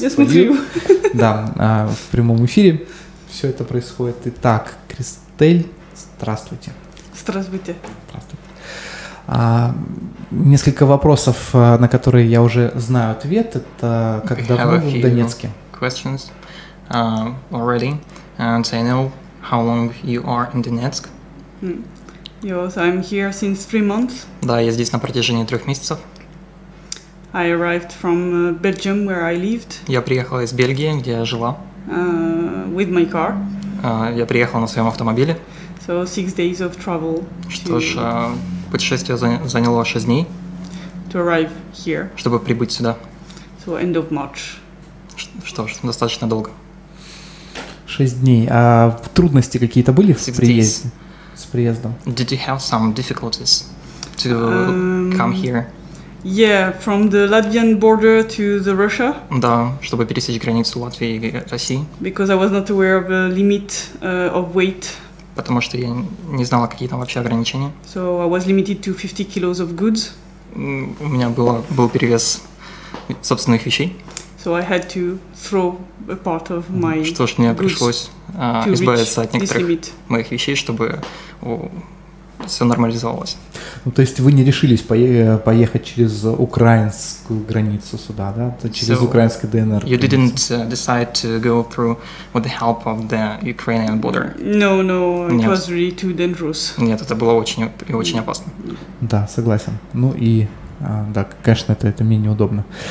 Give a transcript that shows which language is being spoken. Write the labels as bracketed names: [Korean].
[Russian] Я смотрю. Да, в прямом эфире все это происходит. Итак, Кристель, здравствуйте. Здравствуйте. Здравствуйте. Несколько вопросов, на которые я уже знаю ответ, это как давно в Донецке? [English] Questions already, and I know how long you are in Donetsk. Yes, I'm here since 3 months. [Russian] Да, я здесь на протяжении 3 месяцев. [English] I arrived from Belgium, where I lived. [Russian] Я приехала из Бельгии, где я жила. [English] With my car. [Russian] Я приехала на своем автомобиле. [English] So 6 days of travel. [Russian] Что ж. Путешествие заняло 6 дней, [English] to arrive here. [Russian] Чтобы прибыть сюда. [English] So end of March. [Russian] Что ж, достаточно долго. 6 дней. А трудности какие-то были с приездом? [English] Did you have some difficulties to come here? Yeah, from the Latvian border to the Russia. [Russian] Да, чтобы пересечь границу Латвии и России. [English] Because I was not aware of the limit of weight. [Russian] Потому что я не знала, какие там вообще ограничения. [English] So I was limited to 50 kilos of goods. [Russian] У меня был перевес собственных вещей. [English] So I had to throw a part of my [Russian] goods. Что ж, мне пришлось избавиться от некоторых моих вещей, чтобы все нормализовалось. Ну, то есть вы не решились поехать через украинскую границу сюда, да? Через украинскую ДНР. [English] You didn't decide to go through with the help of the Ukrainian border. No, it was really too dangerous. [Russian] Нет, это было очень и очень опасно. Да, согласен. Ну и да, конечно, это мне неудобно.